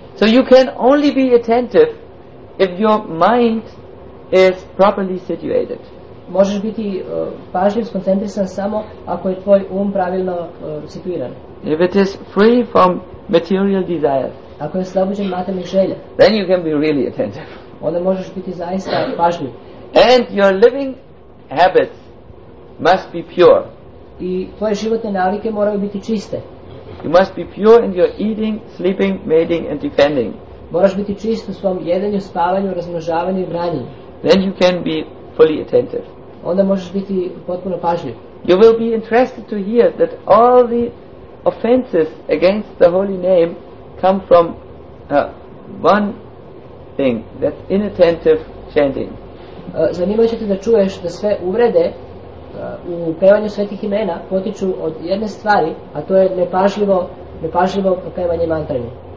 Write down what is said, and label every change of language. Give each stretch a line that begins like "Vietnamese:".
English: So you can only be attentive if your mind is properly situated.
Serbian: Možeš biti pažljiv, skoncentrisan samo ako je tvoj um pravilno situiran.
English: If it is free from material desires.
Serbian: Ako je slobođen materijalnih želja.
English: Then you can be really attentive.
Serbian: Onda možeš biti zaista pažljiv.
English: And your living habits must be pure.
Serbian: I tvoje životne navike moraju biti čiste.
English: You must be pure in your eating, sleeping, mating and defending.
Serbian: Moraš biti čist u svom jedenju, spavanju, razmnožavanju i branjenju.
English: Then you can be fully attentive.
Serbian: Onda možeš biti potpuno pažljiv.
English: You will be interested to hear that all the offenses against the holy name come from one thing, that inattentive chanting.
Serbian: Zanimljivo će te da čuješ da sve uvrede u pevanju svetih imena potiču od jedne stvari, a to je nepažljivo pevanje mantranje.